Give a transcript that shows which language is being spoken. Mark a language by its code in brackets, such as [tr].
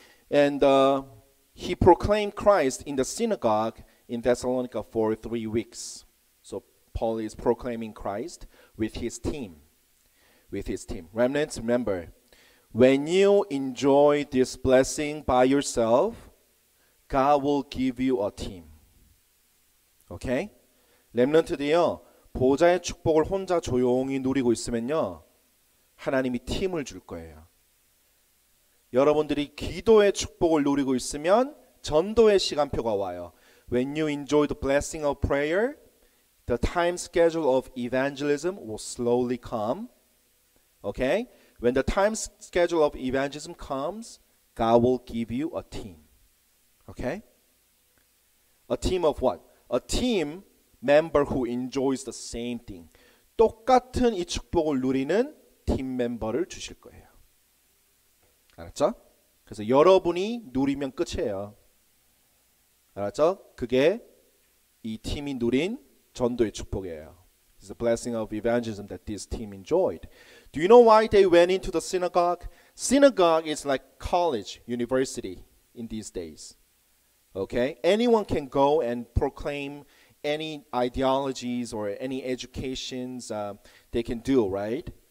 [en] And he proclaimed Christ in the synagogue in Thessalonica for 3 weeks. So Paul is proclaiming Christ with his team. With his team. Remnants, remember, when you enjoy this blessing by yourself, God will give you a team. Okay? 렘넌트들이요. [ko] 보좌의 축복을 혼자 조용히 누리고 있으면요. 하나님이 팀을 줄 거예요. 여러분들이 기도의 축복을 누리고 있으면 전도의 시간표가 와요. [en] When you enjoy the blessing of prayer, the time schedule of evangelism will slowly come. Okay? When the time schedule of evangelism comes, God will give you a team. Okay? A team of what? A team member who enjoys the same thing. [ko] 똑같은 이 축복을 누리는 팀 멤버를 주실 거예요. 알았죠? 그래서 여러분이 누리면 끝이에요. 알았죠? 그게 이 팀이 누린 전도의 축복이에요. [en] It's the blessing of evangelism that this team enjoyed. Do you know why they went into the synagogue? Synagogue is like college, university in these days. Okay? Anyone can go and proclaim any ideologies or any educations they can do, right?